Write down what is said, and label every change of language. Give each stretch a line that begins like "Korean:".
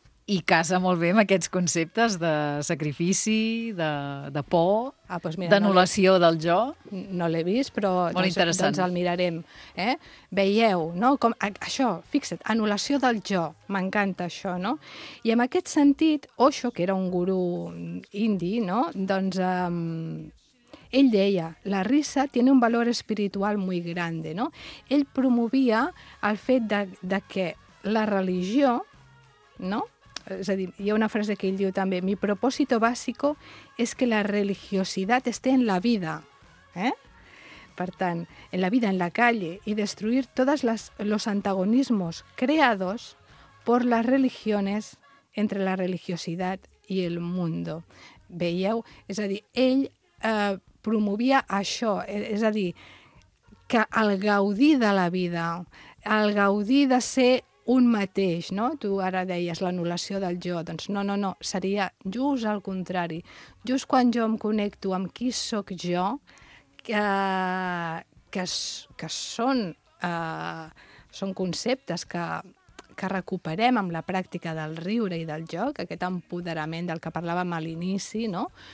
Catalan: I casa molt bé amb aquests conceptes de sacrifici, de por,
Spanish: ah, pues mira,
Catalan: d'anul·lació del jo. No l'he vist, però molt interessant. Doncs el mirarem. Veieu, no? Com, això, fixa't, anul·lació del jo, m'encanta això, no? I en aquest sentit, Osho, que era un guru indi, no? Doncs ell deia,
Spanish: la risa tiene un valor espiritual muy grande, no?
Catalan: Ell promovia el fet de que la religió, no? És a dir, hi ha una frase que ell diu també,
Spanish: mi propósito básico es que la religiosidad esté en la vida.
Catalan: Per tant,
Spanish: en la vida, en la calle, y destruir todos los antagonismos creados por las religiones entre la religiosidad y el mundo.
Catalan: Veieu? És a dir, ell promovia això, és a dir, que el gaudir de la vida, el gaudir de ser un mateix, no? Tu ara deies l'anul·lació del jo, doncs no, no, no, seria just al contrari. Just quan jo em connecto amb qui sóc jo, que són conceptes que recuperem amb la pràctica del riure i del joc, aquest empoderament del que parlàvem a l'inici, no?